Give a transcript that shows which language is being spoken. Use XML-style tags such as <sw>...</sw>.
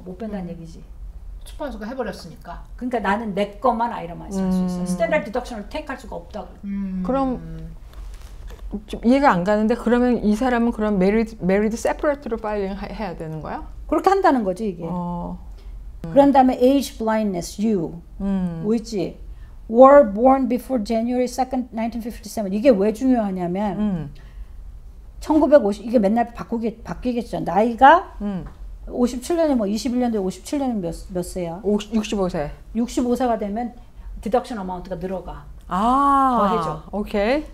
<ko>못 뺀다는 얘기지. 스폰서가 해버렸으니까. 그러니까 나는 내 것만 아이러마이 쓸 수 있어. 스탠다드 디덕션을 테이크할 수가 없다고. 그럼 좀 이해가 안 가는데 그러면 이 사람은 그럼 메리드 세퍼레이트로 파일링 해야 되는 거야? 그렇게 한다는 거지 이게. 그런 다음에</ko> <en>age blindness you.</en> <ko>뭐였지?</ko> <en>Were born before January 2nd 1957.</en> <ko>이게 왜 중요하냐면 1950 이게 맨날 바뀌겠죠. 나이가 57년이 뭐 21년도 57년이 몇 세야? 65세. 65세가 되면 디덕션 어마운트가 늘어가. 아, 더해져. 오케이.</ko>